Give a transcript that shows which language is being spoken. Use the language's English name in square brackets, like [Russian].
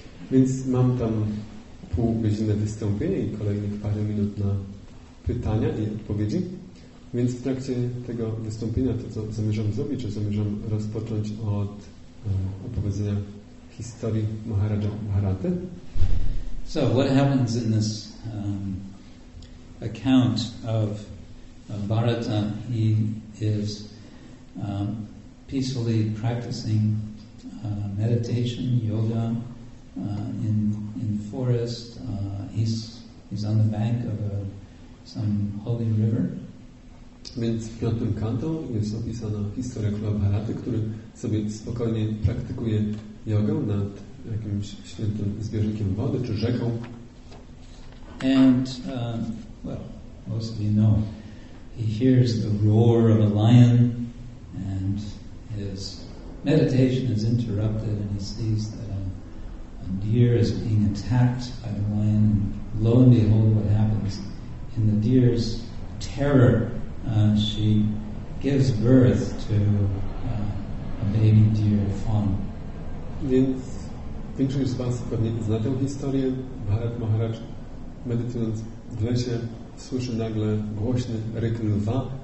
[Polish] Więc mam tam pół godziny wystąpienia i kolejnych parę minut na pytania i odpowiedzi. Więc w trakcie tego wystąpienia to, co zamierzam zrobić, czy zamierzam rozpocząć od opowiedzenia historii Maharaja Bharaty. [English] So, what happens in this account of Bharata? He is peacefully practicing meditation, yoga, in the forest. He's on the bank of some holy river. [Polish] Więc w piątym kanto jest opisana historia króla Bharaty, który sobie spokojnie praktykuje jogę nad jakimś świętym zbiornikiem wody czy rzeką. [English] And well, most of you know, he hears the roar of a lion and his meditation is interrupted and he sees that a deer is being attacked by the lion. And lo and behold, what happens? In the deer's terror, she gives birth to a baby deer, fawn. [Polish] Więc większość z Was pewnie zna tę historię. Bharat Maharaj, medytując w lesie, słyszy nagle głośny ryk lwa.